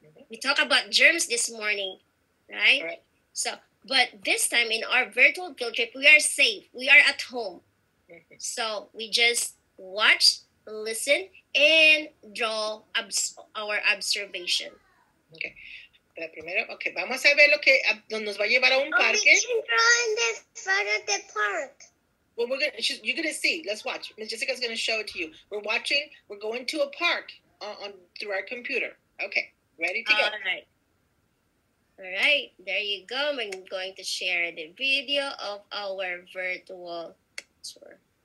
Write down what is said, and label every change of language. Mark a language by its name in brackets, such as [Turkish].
[English] We talk about germs this morning, right? Right. So, but this time in our virtual field trip, we are safe. We are at home. So we just watch, listen, and draw our observation. Okay. [Spanish] Pero primero, okay, vamos a ver lo que nos va a llevar a un parque. [English] We can draw in the front of the park. Well, you're going to see. Let's watch. Ms. Jessica's going to show it to you. We're watching. We're going to a park on through our computer. Okay. Ready to go. All right. There you go. I'm going to share the video of our virtual tour.